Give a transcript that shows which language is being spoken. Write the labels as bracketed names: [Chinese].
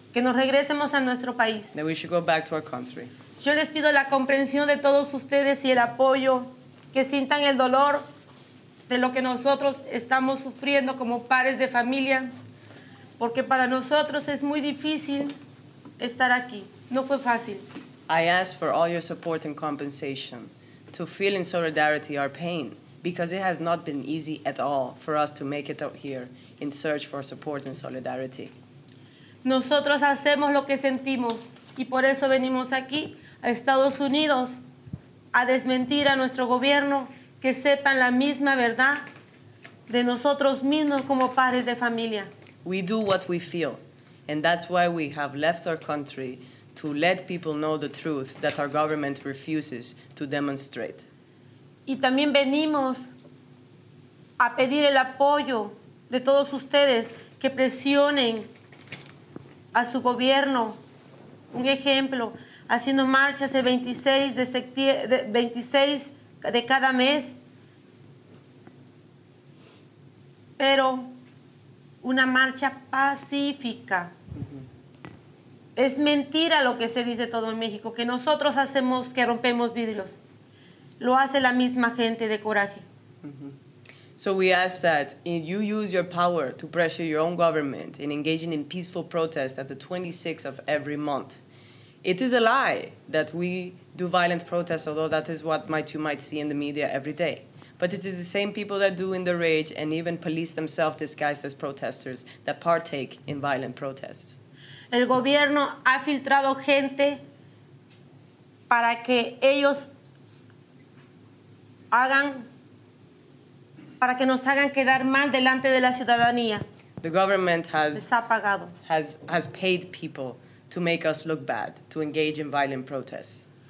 [Spanish] Que nos regresemos a nuestro país. [English] That we should go back to our country. [Spanish] Yo les pido la comprensión de todos ustedes y el apoyo, que sientan el dolor de lo que nosotros estamos sufriendo como padres de familia, porque para nosotros es muy difícil estar aquí. No fue fácil. [English] I ask for all your support and compensation to feel in solidarity our pain, because it has not been easy at all for us to make it out here in search for support and solidarity. [Spanish] Nosotros hacemos lo que sentimos, y por eso venimos aquí, a Estados Unidos, a desmentir a nuestro gobierno, que sepan la misma verdad de nosotros mismos como padres de familia. [English] We do what we feel, and that's why we have left our country, to let people know the truth that our government refuses to demonstrate. [Spanish] Y también venimos a pedir el apoyo de todos ustedes que presionen a su gobierno, un ejemplo, haciendo marchas el 26 de cada mes, pero una marcha pacífica. Mm-hmm. Es mentira lo que se dice todo en México, que nosotros hacemos que rompemos vidrios. Lo hace la misma gente de coraje. [English] So we ask that you use your power to pressure your own government in engaging in peaceful protests at the 26th of every month. It is a lie that we do violent protests, although that is what you might see in the media every day. But it is the same people that do in the rage and even police themselves disguised as protesters that partake in violent protests. [Spanish] El gobierno ha filtrado gente para que ellos hagan, para que nos hagan quedar mal delante de la ciudadanía. [English] The government has paid people to make us look bad, to engage in violent protests.